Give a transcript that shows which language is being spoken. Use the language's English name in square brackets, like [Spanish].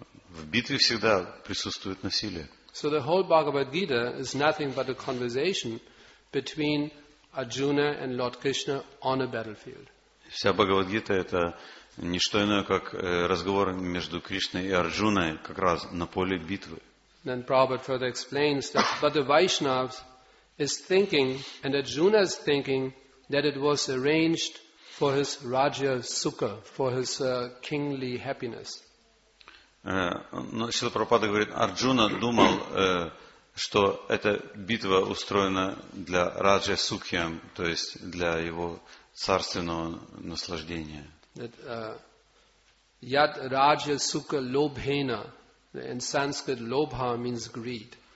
[Russian] В битве всегда присутствует насилие. [English] So the whole Bhagavad Gita is nothing but a conversation between Arjuna and Lord Krishna on a battlefield. [Russian] Вся Бхагавад-гита это не что иное, как разговор между Кришной и Арджуной как раз на поле битвы. [English] Then Prabhupada further explains that but the Vaishnavas is thinking and Arjuna is thinking that it was arranged for his Rajya Sukha, for his kingly happiness. [Russian] Но Шрила Прабхупада говорит, Арджуна думал, что эта битва устроена для Раджа Сукхиам, то есть для его царственного наслаждения. [Sanskrit] Яд Раджа Сукха Лобхена. [English] In Sanskrit, Лобха means greed.